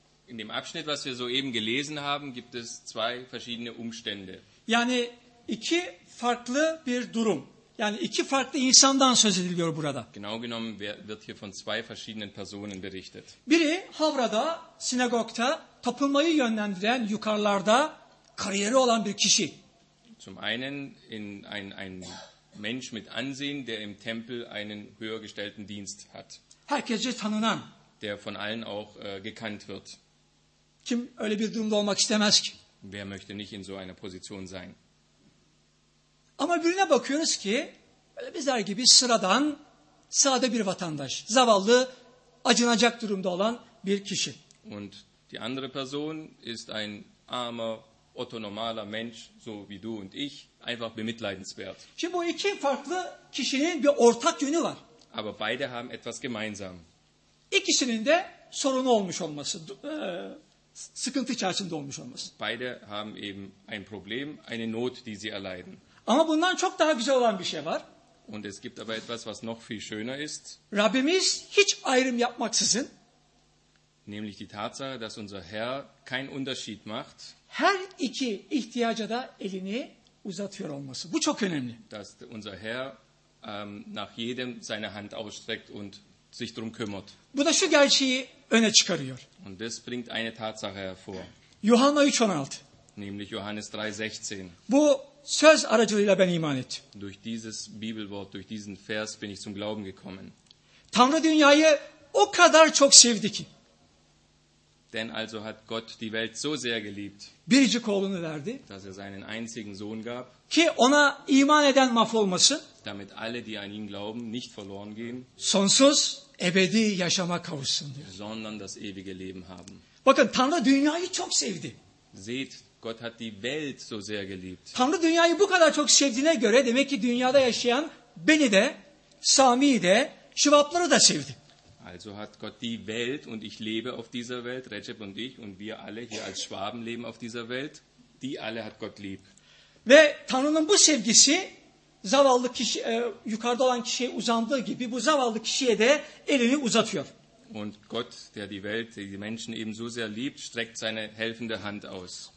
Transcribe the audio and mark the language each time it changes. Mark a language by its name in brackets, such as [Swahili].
[German] In dem Abschnitt, was wir soeben gelesen haben, gibt es zwei verschiedene Umstände. [Turkish] Yani iki farklı bir durum. Yani iki farklı insandan söz ediliyor burada. [German] Genau genommen wird hier von zwei verschiedenen Personen berichtet. [Turkish] Biri Havra'da, sinagogta, tapınmayı yönlendiren, yukarılarda kariyeri olan bir kişi. [German] Zum einen ein Mensch mit Ansehen, der im Tempel einen höher gestellten Dienst hat. [Turkish] Herkese tanınan. [German] Der von allen auch gekannt wird. [Turkish] Kim öyle bir durumda olmak istemez ki? [German] Wer möchte nicht in so einer Position sein? [Turkish] Ama birine bakıyoruz ki öyle bizler gibi sıradan, sade bir vatandaş, zavallı, acınacak durumda olan bir kişi. [German] Und die andere Person ist ein armer, Otto normaler Mensch, so wie du und ich, einfach bemitleidenswert. [Turkish] Şimdi bu iki farklı kişinin bir ortak yönü var. [German] Aber beide haben etwas gemeinsam. [Turkish] İkisinin de sorunu olmuş olması, sıkıntı içerisinde olmuş olması. [German] Beide haben eben ein Problem, eine Not, die sie erleiden. [Turkish] Ama bundan çok daha güzel olan bir şey var. [German] Und es gibt aber etwas, was noch viel schöner ist. [Turkish] Rabbimiz hiç ayrım yapmaksızın. [German] Nämlich die Tatsache, dass unser Herr keinen Unterschied macht. [Turkish] Her iki ihtiyaca da elini uzatıyor olması. Bu çok önemli. [German] Dass unser Herr nach jedem seine Hand ausstreckt und sich drum kümmert. [Turkish] Bu da şu gerçeği öne çıkarıyor. [German] Und das bringt eine Tatsache hervor. [Turkish] Johanna 3:16. [German] Nämlich Johannes 3:16. [Turkish] Bu söz aracılığıyla ben iman ettim. [German] Durch dieses Bibelwort, durch diesen Vers bin ich zum Glauben gekommen. [Turkish] Tanrı dünyayı o kadar çok sevdi ki. [German] Denn also hat Gott die Welt so sehr geliebt, [Turkish] biricik oğlunu verdi, [German] dass er seinen einzigen Sohn gab, [Turkish] ki ona iman eden mahvolmasın, [German] damit alle, die an ihn glauben, nicht verloren gehen, [Turkish] sonsuz, ebedi yaşama kavuşsun diyor. [German] Sondern das ewige Leben haben. [Turkish] Bakın, Tanrı dünyayı çok sevdi. [German] Seht, Gott hat die Welt so sehr geliebt. [Turkish] Tanrı dünyayı bu kadar çok sevdiğine göre, demek ki dünyada yaşayan beni de, Sami'yi de, Şivapları da sevdi. [German] Also hat Gott die Welt und ich lebe auf dieser Welt, Recep und ich und wir alle hier als Schwaben leben auf dieser Welt, die alle hat Gott lieb. [Turkish] Ve Tanrı'nın bu sevgisi zavallı kişi yukarıda olan kişiye uzandığı gibi bu zavallı kişiye de elini uzatıyor. [German] Und Gott, der die Welt, die Menschen eben so sehr liebt, streckt seine helfende Hand aus.